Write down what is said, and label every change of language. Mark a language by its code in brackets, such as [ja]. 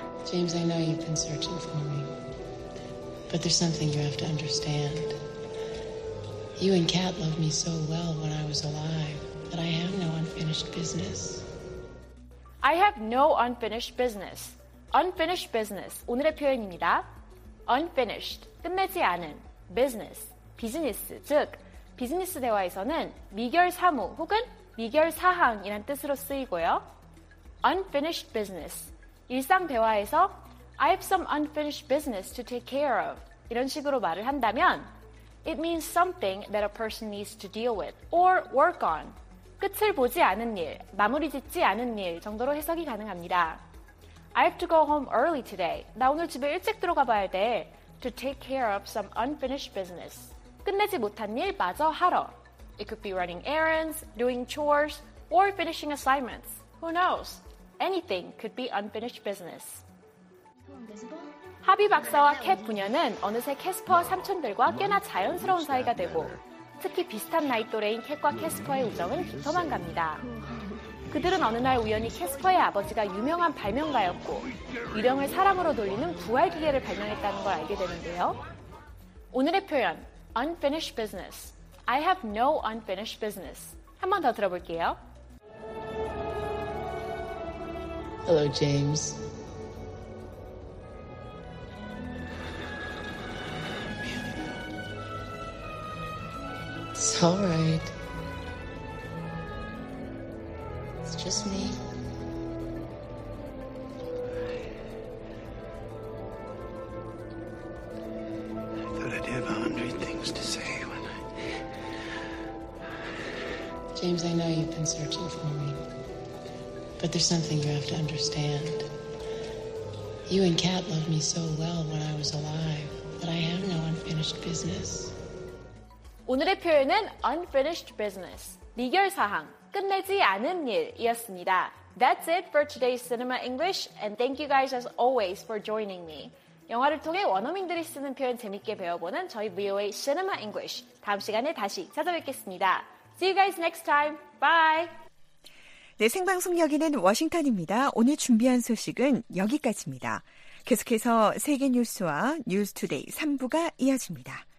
[en] James, I know you've been searching for me. But there's something you have to understand. You and Kat loved me so well when I was alive that I have no unfinished business. I have no unfinished business. [ko] Unfinished business, 오늘의 표현입니다. Unfinished, 끝내지 않은, business, 비즈니스, 즉, 비즈니스 대화에서는 미결 사무 혹은 미결 사항이란 뜻으로 쓰이고요. [en] Unfinished business, [ko] 일상 대화에서 [en] I have some unfinished business to take care of, [ko] 이런 식으로 말을 한다면 [en] It means something that a person needs to deal with or work on. [ko] 끝을 보지 않은 일, 마무리 짓지 않은 일 정도로 해석이 가능합니다. [en] I have to go home early today. [ko] 나 오늘 집에 일찍 들어가 봐야 돼. [en] To take care of some unfinished business. [ko] 끝내지 못한 일 마저 하러. [en] It could be running errands, doing chores, or finishing assignments. Who knows? Anything could be unfinished business. [ko] 하비 박사와 캣 부녀는 어느새 캐스퍼 삼촌들과 꽤나 자연스러운 사이가 되고 특히 비슷한 나이 또래인 캣과 캐스퍼의 우정은 깊어만 갑니다. 그들은 어느 날 우연히 캐스퍼의 아버지가 유명한 발명가였고 유령을 사람으로 돌리는 부활기계를 발명했다는 걸 알게 되는데요. 오늘의 표현, unfinished business. [en] I have no unfinished business. [ko] 한 번 더 들어볼게요. [en] Hello, James. It's all right. It's just me. I thought I'd have 100 things to say when I... James, I know you've been searching for me. But there's something you have to understand. You and Kat loved me so well when I was alive that I have no unfinished business. [ko] 오늘의 표현은 unfinished business, 미결사항, 끝내지 않은 일이었습니다. [en] That's it for today's Cinema English, and thank you guys as always for joining me. [ko] 영화를 통해 원어민들이 쓰는 표현 재밌게 배워보는 저희 VOA Cinema English. 다음 시간에 다시 찾아뵙겠습니다. [en] See you guys next time. Bye! [ko] 네, 생방송 여기는 워싱턴입니다. 오늘 준비한 소식은 여기까지입니다. 계속해서 세계 뉴스와 뉴스 투데이 3부가 이어집니다.